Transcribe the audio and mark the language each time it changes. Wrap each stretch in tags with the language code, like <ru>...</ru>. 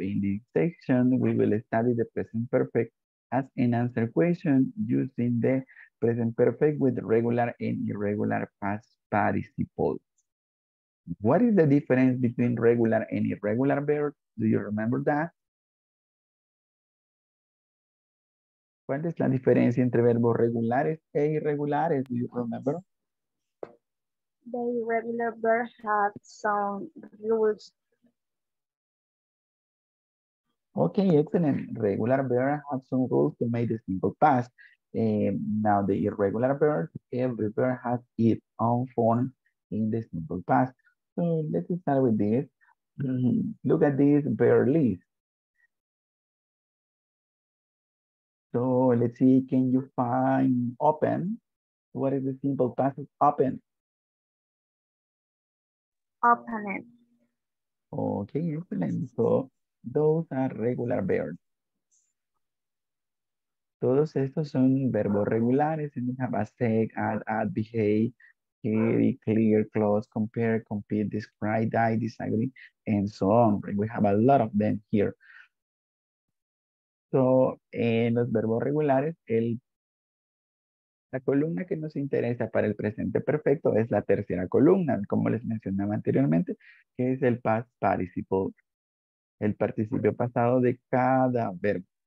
<en>In this section, we will study the present perfect as an answer question using the present perfect with regular and irregular past participles. What is the difference between regular and irregular verbs? Do you remember that?</en> <es>¿Cuál es la diferencia entre verbos regulares e irregulares?</es> <en>Do you remember? The irregular verb has some rules. Okay, excellent. Regular verb has some rules to make the simple past. Now the irregular verb, every verb has its own form in the simple past. So let's start with this. Look at this verb list. So let's see, can you find open? What is the simple past of open? Open it. Okay, excellent. So those are regular verbs.</en> <es>Todos estos son verbos regulares.</es> <en>And we have a say, add, behave, carry, clear, close, compare, compete, describe, die, disagree, and so on. We have a lot of them here.</en> <es>So en los verbos regulares, la columna que nos interesa para el presente perfecto es la tercera columna, como les mencionaba anteriormente, que es el past participle, el participio pasado de cada verbo.</es>